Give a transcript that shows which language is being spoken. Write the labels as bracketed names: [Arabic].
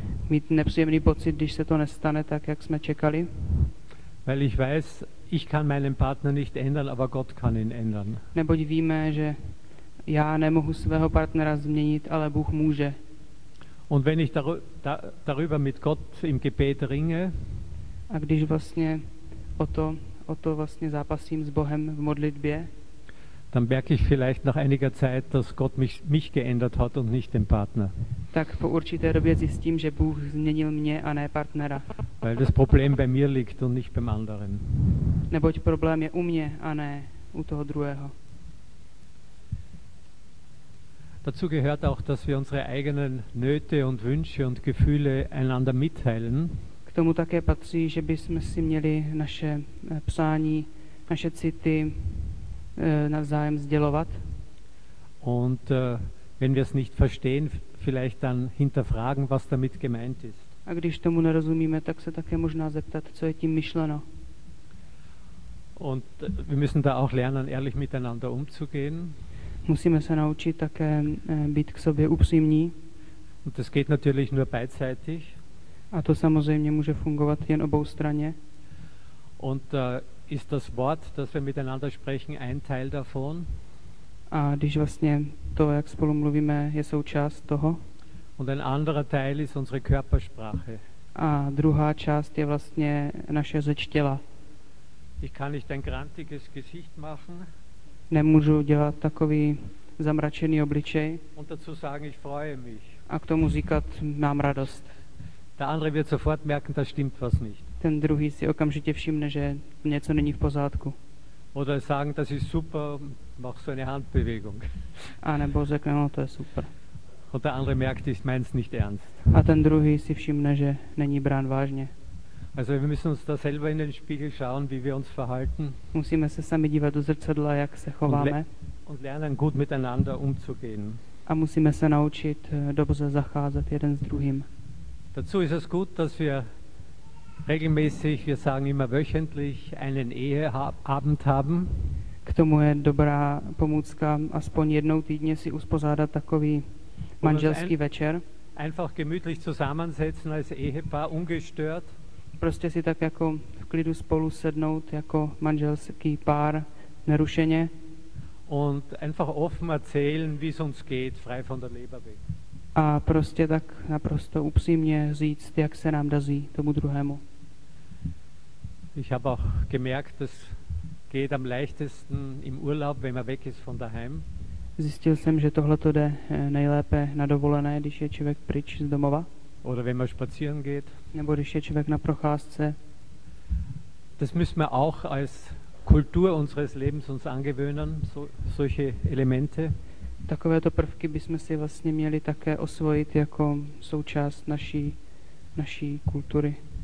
[Czech] mít nepříjemný pocit, když se to nestane tak, jak jsme čekali. [German] Weil ich weiß, ich kann meinen Partner nicht ändern, aber Gott kann ihn ändern. [Czech] Neboť víme, že já nemohu svého partnera změnit, ale Bůh může. [German] Und wenn ich darüber mit Gott im Gebet ringe, [Czech] a když vlastně o to vlastně zápasím s Bohem v modlitbě, [German] dann merke ich vielleicht nach einiger Zeit, dass Gott mich geändert hat und nicht den Partner. [Czech] Tak po určité době zjistím, že Bůh změnil mě a ne partnera. [German] Weil das Problem bei mir liegt und nicht beim anderen. [Czech] Neboť problém je u mě a ne u toho druhého. [German] Dazu gehört auch, dass wir unsere eigenen Nöte und Wünsche und Gefühle einander mitteilen. [Czech] K tomu také patří, že bychom si měli naše přání, naše city navzájem sdělovat. [German] Und wenn wir es nicht verstehen, vielleicht dann hinterfragen, was damit gemeint ist. [Czech] A když tomu nerozumíme, tak se také možná zeptat, co je tím myšleno. [German] Und wir müssen da auch lernen, ehrlich miteinander umzugehen. [Czech] Musíme se naučit také být k sobě upřímní. [German] Und das geht natürlich nur beidseitig. [Czech] A to samozřejmě může fungovat jen obou straně. [German] Und ist das Wort, das wir miteinander sprechen, ein Teil davon? [Czech] A když vlastně to, jak spolu mluvíme, je součást toho? [German] Und ein anderer Teil ist unsere Körpersprache. [Czech] A druhá část je vlastně naše řeč těla. [German] Ich kann nicht ein grantiges Gesicht machen. [Czech] Nemůžu dělat takový zamračený obličej. [German] Und dazu sagen, ich freue mich. [Czech] A k tomu říkat, mám radost. [German] Der andere wird sofort merken, da stimmt was nicht. [Czech] Ten druhý si okamžitě všimne, že něco není v pořádku. [German] Oder sagen, das ist super, mach so eine Handbewegung. [Czech] A nebo řekne, no, to je super. [German] Und der andere merkt, ich mein's nicht ernst. [Czech] A ten druhý si všimne, že není brán vážně. [German] Also wir müssen uns da selber in den Spiegel schauen, wie wir uns verhalten. [Czech] Musíme se sami dívat do zrcadla, jak se chováme. [German] Und lernen gut miteinander umzugehen. [Czech] A musíme se naučit dobře zacházet jeden s druhým. [German] Dazu ist es gut, dass wir regelmäßig, wir sagen immer wöchentlich, einen Eheabend haben. [Czech] K tomu je dobrá pomůcka aspoň jednou týdně si uspořádat takový manželský večer. [German] Einfach gemütlich zusammensetzen als Ehepaar, ungestört. [Czech] Prostě si tak jako v klidu spolu sednout jako manželský pár nerušeně. [German] Und einfach offen erzählen, wie es uns geht, frei von der Leber weg. [Czech] A prostě tak naprosto upřímně říct, jak se nám daří tomu druhému. [German] Ich habe auch gemerkt, das geht am leichtesten im Urlaub, wenn man weg ist von daheim. [Czech] Zjistil jsem, že tohle to jde nejlépe na dovolené, když je člověk pryč z domova. [German] Oder wenn man spazieren geht. [Czech] Nebo když je člověk na procházce. [German] Das müssen wir auch als Kultur unseres Lebens uns angewöhnen, solche Elemente. [Czech] Takovéto prvky bychom si vlastně měli také osvojit jako součást naší kultury.